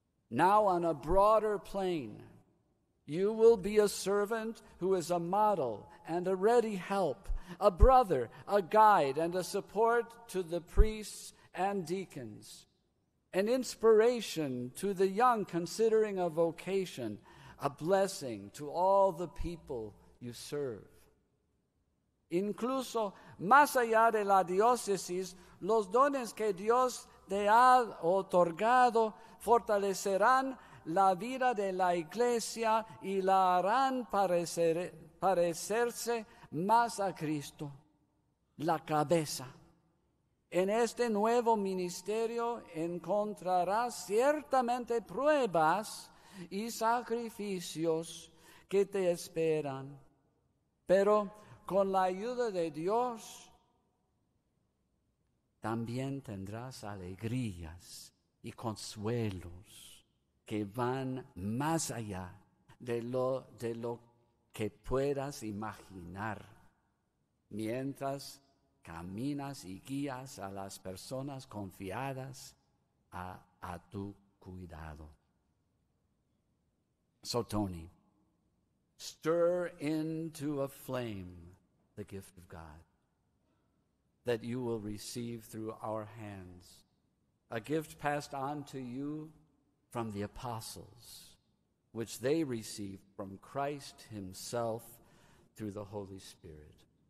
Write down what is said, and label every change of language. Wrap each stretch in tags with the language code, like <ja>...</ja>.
<en>Now on a broader plane, you will be a servant who is a model and a ready help, a brother, a guide, and a support to the priests and deacons, an inspiration to the young considering a vocation, a blessing to all the people you serve.</en> <es>Incluso más allá de la diócesis, los dones que Dios te ha otorgado fortalecerán la vida de la iglesia y la harán parecerse más a Cristo, la cabeza. En este nuevo ministerio encontrarás ciertamente pruebas y sacrificios que te esperan, pero con la ayuda de Dios también tendrás alegrías y consuelos que van más allá de lo que puedas imaginar. Mientras caminas y guías a las personas confiadas a tu cuidado.</es> <en>So, Tony, stir into a flame the gift of God that you will receive through our hands, a gift passed on to you from the apostles, which they received from Christ himself through the Holy Spirit.</en>